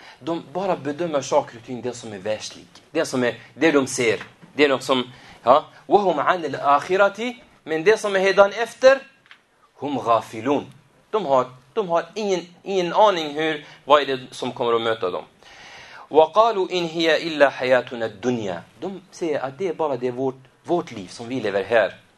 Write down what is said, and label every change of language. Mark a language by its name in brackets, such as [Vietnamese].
[Swedish] De bara bedömer saker och ting, det som är världsligt, det som är det de ser, det är något som, ja, [Arabic] وهم عن الآخرة, [Swedish] men det som är hädan efter, [Arabic] hum ghafilun. [Swedish] De har ingen aning hur, vad är det som kommer att möta dem. [Arabic] وقالوا إن هي إلا حياتنا الدنيا. [Swedish] De säger att det är bara det vårt liv som vi lever här.